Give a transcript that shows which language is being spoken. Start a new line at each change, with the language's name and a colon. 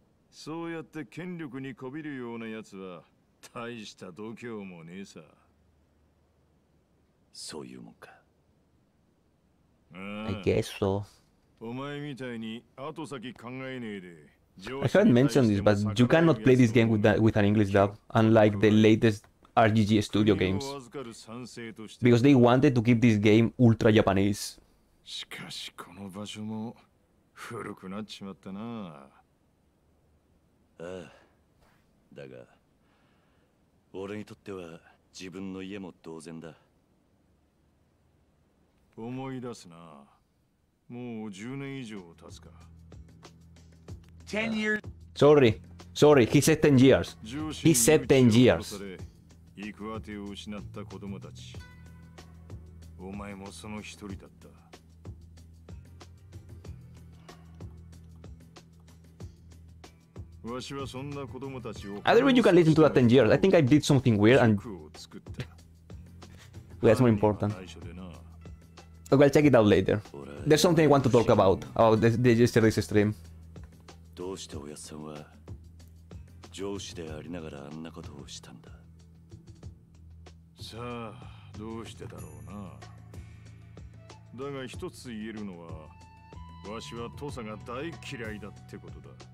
Japanese: そうやって権力にこびるようなやつは大した度胸もねえさ。そういうもんか。
English: I guess so.
Japanese: お前みたいに後先考えねえで。
English: I haven't mentioned this, but you cannot play this game with an English dub, unlike the latest RGG studio games. Because they wanted to keep this game ultra Japanese.
Japanese: しかしこの場所も古くなっちまったな。ああ、だが俺にとっては自分の家も同然だ。思い出すな。もう10年以上経つか。
English: 10 years. Sorry. He said 10 years. He said 10 years.
Japanese: 行く当てを失った子供たち。お前もその一人だった。わしはそんな子供たちを。
English: I don't think you can listen to that 10 years. I think I did something weird and. That's more important. Well, check it out later. There's something I want to talk about yesterday's stream.
Japanese: どうしておやさんは上司でありながらあんなことをしたんだ。さあ、どうしてだろうな。だが一つ言えるのは、わしは父さんが大嫌いだってことだ。